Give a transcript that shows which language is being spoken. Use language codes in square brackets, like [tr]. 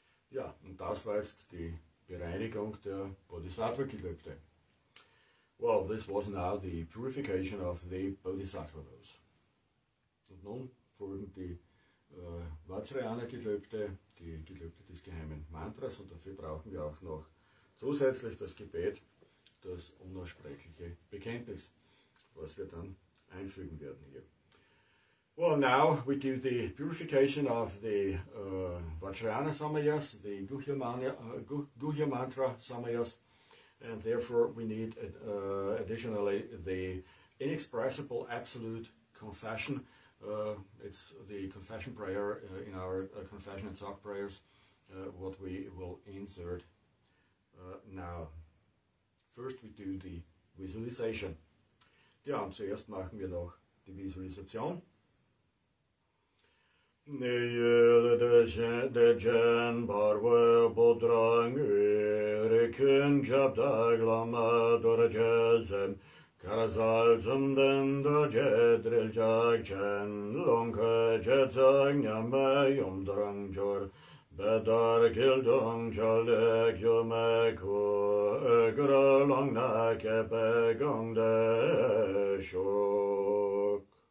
[de] Ja, und das war jetzt die Bereinigung der Bodhisattva-Gelübde. [en] Well, this was now the purification of the Bodhisattva-Vows. [de] Und nun folgen die Vajrayana-Gelübde, die Gelübde des geheimen Mantras, und dafür brauchen wir auch noch zusätzlich das Gebet, das unaussprechliche Bekenntnis, was wir dann einfügen werden hier. [en] Well, now we do the purification of the Vajrayana Samayas, the Guhya Mantra Samayas, and therefore we need additionally the inexpressible absolute confession. It's the confession prayer in our confession and talk prayers, what we will insert now. First we do the visualization. [de] Ja, und zuerst machen wir noch die Visualisation. Dejan Barwe Bodrang Rikin Jabdaglama Dorajazem Karazal Zumden Daje Driljag Chen Longa Jetzag Name Yum Drang Jor Bedar Gildong Jalek Yumeko Egra Long Nake Begong De Shok.